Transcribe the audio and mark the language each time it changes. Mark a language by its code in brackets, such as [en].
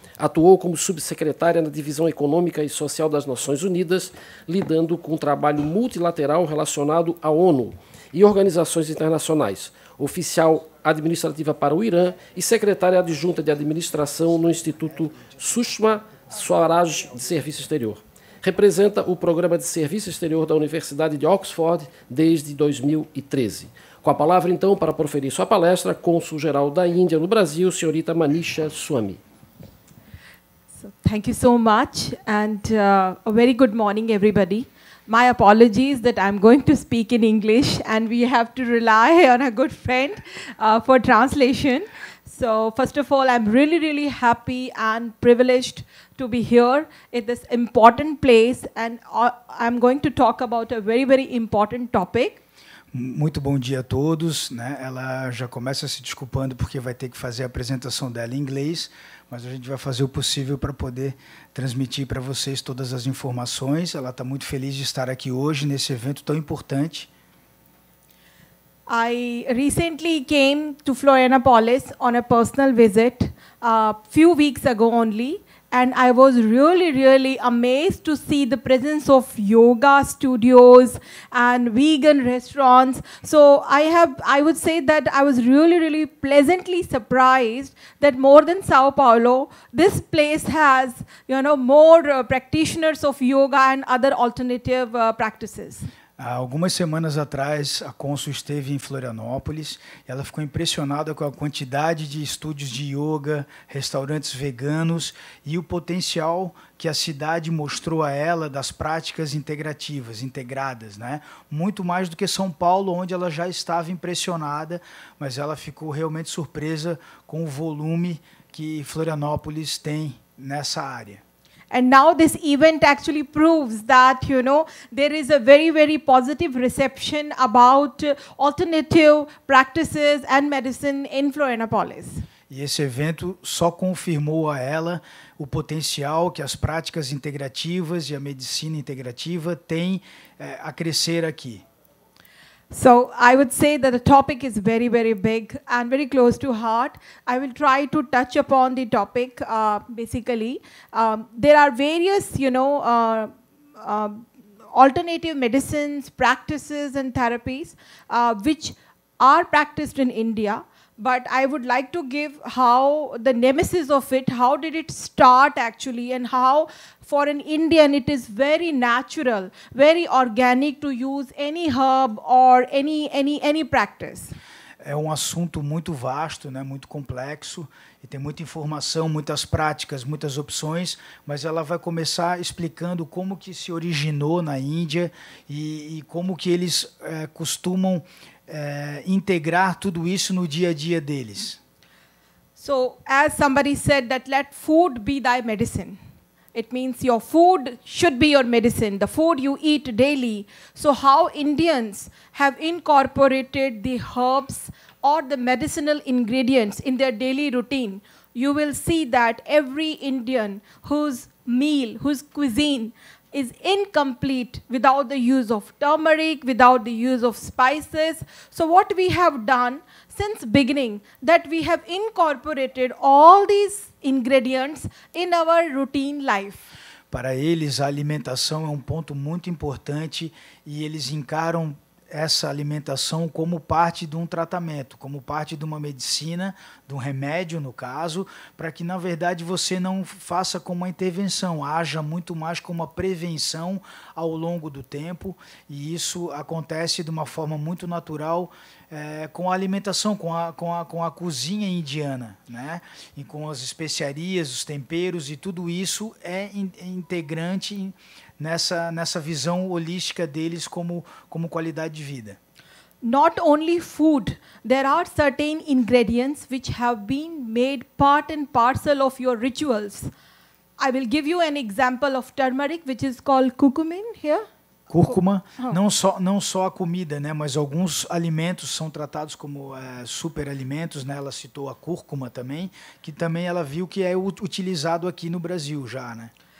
[pt] Atuou como subsecretária na Divisão Econômica e Social das Nações Unidas, lidando com trabalho multilateral relacionado à ONU e organizações internacionais, oficial administrativa para o Irã e secretária adjunta de administração no Instituto Sushma Swaraj de Serviço Exterior. Representa o Programa de Serviço Exterior da Universidade de Oxford desde 2013. Com a palavra, então, para proferir sua palestra, Cônsul-Geral da Índia no Brasil, senhorita Manisha Swami. [en] Thank you so much and a very good morning, everybody. My apologies that I'm going to speak in English and we have to rely on a good friend for translation. So, first of all, I'm really, really happy and privileged to be here at this important place and I'm going to talk about a very, very important topic. [pt] Muito bom dia a todos. Né? Ela já começa se desculpando porque vai ter que fazer a apresentação dela em inglês, mas a gente vai fazer o possível para poder transmitir para vocês todas as informações. Ela está muito feliz de estar aqui hoje nesse evento tão importante. [en] I recently came to Florianópolis on a personal visit a few weeks ago only, and I was really, really amazed to see the presence of yoga studios and vegan restaurants. So I would say that I was really, really pleasantly surprised that more than Sao Paulo, this place has, you know, more practitioners of yoga and other alternative practices. [pt] Há algumas semanas atrás, a Cônsul esteve em Florianópolis e ela ficou impressionada com a quantidade de estúdios de yoga, restaurantes veganos e o potencial que a cidade mostrou a ela das práticas integrativas, integradas, né? Muito mais do que São Paulo, onde ela já estava impressionada, mas ela ficou realmente surpresa com o volume que Florianópolis tem nessa área. [en] And now this event actually proves that, you know, there is a very, very positive reception about alternative practices and medicine in Florianópolis. [pt] E esse evento só confirmou a ela o potencial que as práticas integrativas e a medicina integrativa têm a crescer aqui. [en] So I would say that the topic is very, very big and very close to heart. I will try to touch upon the topic basically. There are various, you know, alternative medicines, practices and therapies which are practiced in India. But I would like to give how the nemesis of it, how did it start actually, and how for an Indian it is very natural, very organic to use any herb or any practice. [pt] É um assunto muito vasto, né, muito complexo, e tem muita informação, muitas práticas, muitas opções, mas ela vai começar explicando como que se originou na Índia e como que eles costumam integrar tudo isso no dia a dia deles. [en] So, as somebody said that let food be thy medicine. It means your food should be your medicine, the food you eat daily. So how Indians have incorporated the herbs or the medicinal ingredients in their daily routine, you will see that every Indian whose meal, whose cuisine is incomplete without the use of turmeric, without the use of spices. So what we have done since beginning, that we have incorporated all these ingredients in our routine life. [pt] Para eles, a alimentação é um ponto muito importante e eles encaram essa alimentação como parte de um tratamento, como parte de uma medicina, de um remédio, no caso, para que, na verdade, você não faça como uma intervenção, haja muito mais como uma prevenção ao longo do tempo. E isso acontece de uma forma muito natural com a alimentação, com a cozinha indiana, né? E com as especiarias, os temperos, e tudo isso é integrante nessa visão holística deles como qualidade de vida. [en] Not only food, there are certain ingredients which have been made part and parcel of your rituals. I will give you an example of turmeric, which is called curcumin here. [pt] Cúrcuma, não só a comida, né, mas alguns alimentos são tratados como superalimentos, né? Ela citou a cúrcuma também, que também ela viu que é utilizado aqui no Brasil já, né?